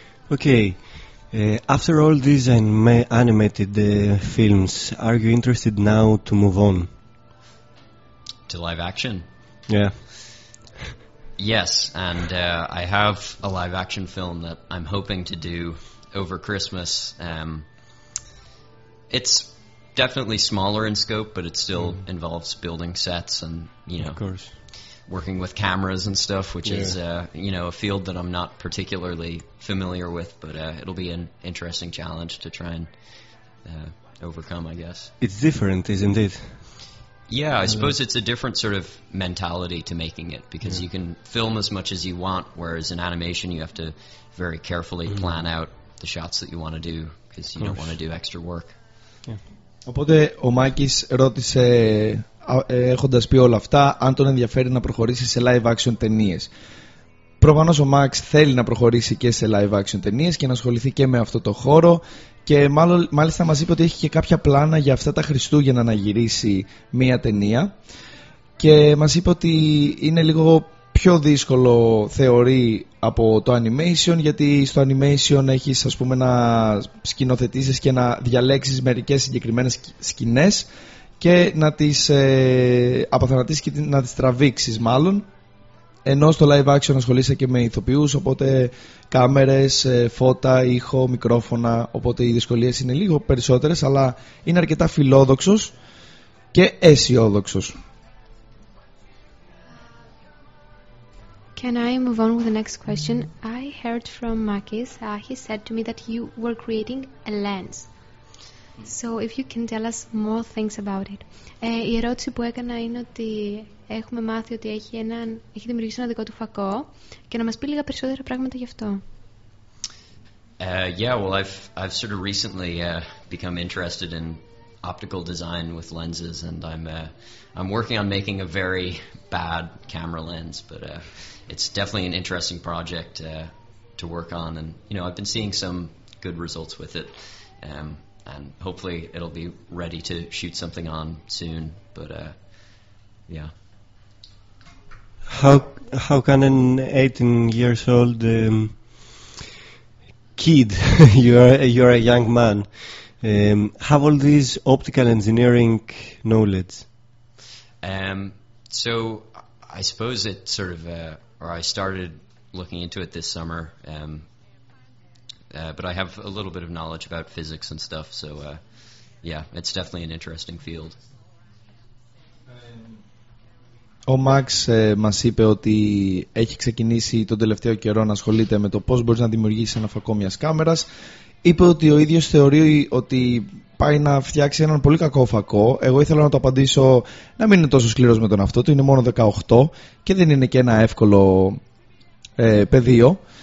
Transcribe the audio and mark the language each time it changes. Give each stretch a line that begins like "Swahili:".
English: Okay, after all these animated films, are you interested now to move on? To live action? Yeah. Yes, and I have a live action film that I'm hoping to do over Christmas. It's definitely smaller in scope, but it still involves building sets and, you know, of course, working with cameras and stuff, which is, you know, a field that I'm not particularly familiar with, but it'll be an interesting challenge to try and overcome, I guess. It's different, isn't it? Yeah, I suppose it's a different sort of mentality to making it, because you can film as much as you want, whereas in animation you have to very carefully plan out the shots that you want to do, because you don't want to do extra work. Yeah.
Greek: Οπότε ο Μάκης ρώτησε, έχοντας πει όλα αυτά, αν τον ενδιαφέρει να προχωρήσει σε live action ταινίες. Προφανώς ο Μάξ θέλει να προχωρήσει και σε live action ταινίες και να ασχοληθεί και με αυτό το χώρο, και μάλιστα μας είπε ότι έχει και κάποια πλάνα για αυτά τα Χριστούγεννα να γυρίσει μία ταινία, και μας είπε ότι είναι λίγο πιο δύσκολο, θεωρεί, από το animation, γιατί στο animation έχεις, ας πούμε, να σκηνοθετήσεις και να διαλέξεις μερικές συγκεκριμένες σκηνές και να τις αποθανατήσεις και να τις τραβήξεις μάλλον, ενώ στο live action ασχολείσαι και με ηθοποιούς, οπότε κάμερες, φώτα, ήχο, μικρόφωνα, οπότε οι δυσκολίες είναι λίγο περισσότερες, αλλά είναι αρκετά φιλόδοξος και αισιόδοξος.
English: Can I move on with the next question? I heard from Makis, he said to me that you were creating a lens. So if you can tell us more things about it.
Greek: Η ερώτηση που έκανα είναι ότι έχουμε μάθει ότι έχει δημιουργήσει ένα δικό του φακό, και να μας πει λίγα περισσότερα πράγματα γι' αυτό.
English: Yeah, well, I've sort of recently become interested in optical design with lenses, and I'm working on making a very bad camera lens, but it's definitely an interesting project to work on, and you know, I've been seeing some good results with it. And hopefully it'll be ready to shoot something on soon. But yeah. How can an 18 years old kid, you're a young man, have all this optical engineering knowledge? So I suppose it sort of, or I started looking into it this summer. But I have a little bit of knowledge about physics and stuff, so yeah, it's definitely an interesting field.
Greek: Ο Μαξ μας είπε ότι έχει ξεκινήσει τον τελευταίο καιρό να ασχολείται με το πώς μπορείς να δημιουργήσεις ένα φακό μιας κάμερας. Είπε ότι ο ίδιος θεωρεί ότι πάει να φτιάξει έναν πολύ κακό φακό. Εγώ ήθελα να το απαντήσω να μην είναι τόσο σκληρός με τον αυτό του, είναι μόνο 18 και δεν είναι και ένα εύκολο πεδίο.